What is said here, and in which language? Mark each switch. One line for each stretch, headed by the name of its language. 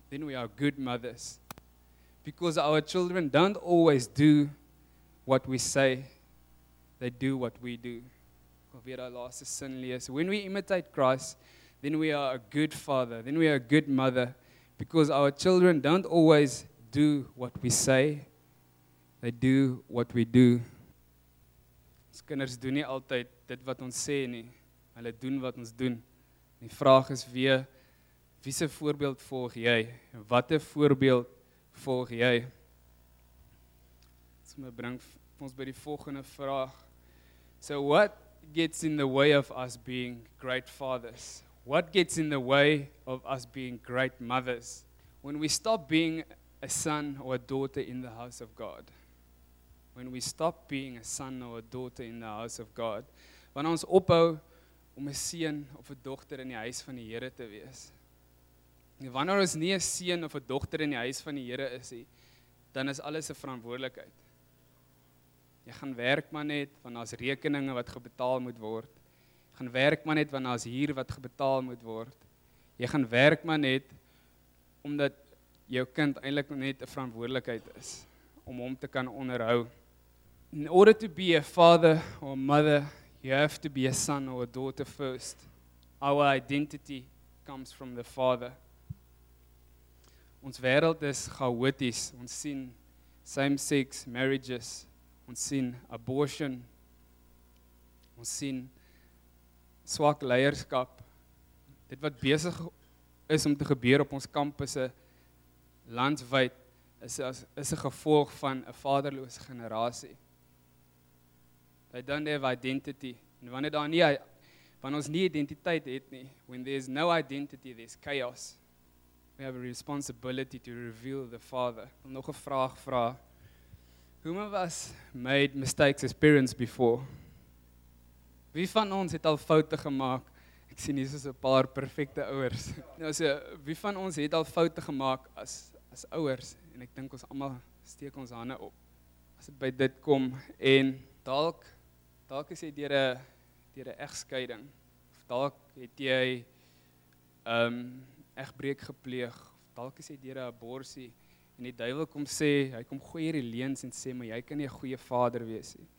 English: Then we are good mothers. Because our children don't always do what we say. They do what we do. When we imitate Christ, then we are a good father. Then we are a good mother. Because our children don't always do what we say. They do what we do.
Afrikaans: Ons kinders doen nie altyd dit wat ons sê nie. Hulle doen wat ons doen. Die vraag is wie, wie se voorbeeld volg jy? Watter voorbeeld volg jy? Dit me bring ons by die volgende vraag.
English: So what gets in the way of us being great fathers? What gets in the way of us being great mothers? When we stop being a son or a daughter in the house of God. When we stop being a son or a daughter in the house of God.
Afrikaans: Wanneer ons ophou om 'n seun of 'n dogter in die huis van die Here te wees. Wanneer ons nie 'n seun of 'n dogter in die huis van die Here is nie, dan is alles 'n verantwoordelikheid. Jy gaan werk maar net want daar's rekeninge wat gebetaal moet word. Jy gaan werk maar net want daar's huur wat gebetaal moet word. Jy gaan werk maar net omdat jou kind eintlik net 'n verantwoordelikheid is om hom te kan onderhou.
English: In order to be a father or a mother, you have to be a son or a daughter first. Our identity comes from the father.
Afrikaans: Ons wêreld is chaoties. Ons sien
English: same-sex marriages.
Afrikaans: Ons sien abortion. Ons sien swak leierskap. Dit wat besig is om te gebeur op ons kampusse landwyd is 'n gevolg van 'n vaderlose generasie.
English: They don't have identity.
Afrikaans: En wanneer daar nie, wanneer ons nie identiteit het nie,
English: when there's no identity, there's chaos. We have a responsibility to reveal the Father.
Afrikaans: Ek wil nog 'n vraag vra.
English: Whom of us made mistakes as parents before?
Afrikaans: Wie van ons het al foute gemaak? Ek sien hier is 'n paar perfekte ouers. Nou so, wie van ons het al foute gemaak as ouers? En ek dink ons almal steek ons hande op. As dit by dit kom en dalk is jy deur 'n egskeiding of dalk het jy egbreek gepleeg of dalk is jy deur 'n abortus en die duiwel kom sê, hy kom gooi hierdie leuns en sê maar jy kan nie 'n goeie vader wees nie.